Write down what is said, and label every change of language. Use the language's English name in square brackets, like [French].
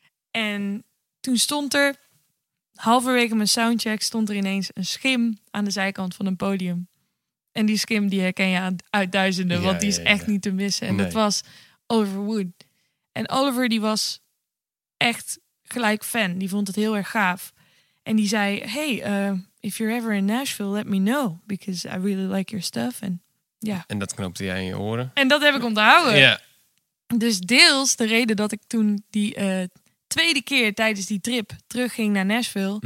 [Dutch] En toen stond er, halverwege mijn soundcheck, stond er ineens een schim aan de zijkant van een podium. En die schim die herken je uit duizenden, ja, want die is echt niet te missen. En dat was Oliver Wood. En Oliver die was echt gelijk fan. Die vond het heel erg gaaf. En die zei, [English] hey, if you're ever in Nashville, let me know. Because I really like your stuff. [Dutch] En dat knoopte jij in je oren. En dat heb ik onthouden. Ja. Dus deels de reden dat ik toen die tweede keer tijdens die trip terugging naar Nashville,